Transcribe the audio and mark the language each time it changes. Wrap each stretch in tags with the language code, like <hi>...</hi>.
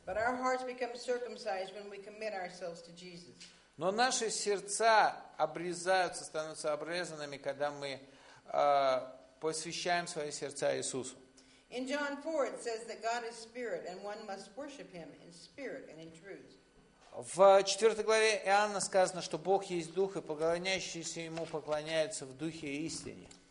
<en>But our hearts become circumcised when we commit ourselves to Jesus.</en> <ru>Но наши сердца обрезаются, становятся обрезанными, когда мы посвящаем свои сердца Иисусу.</ru> <en>In John 4 it says that God is spirit and one must worship him in spirit and in truth.</en> <ru>В 4 главе Иоанна сказано, что Бог есть Дух, и поклоняющиеся Ему поклоняются в Духе и истине.</ru>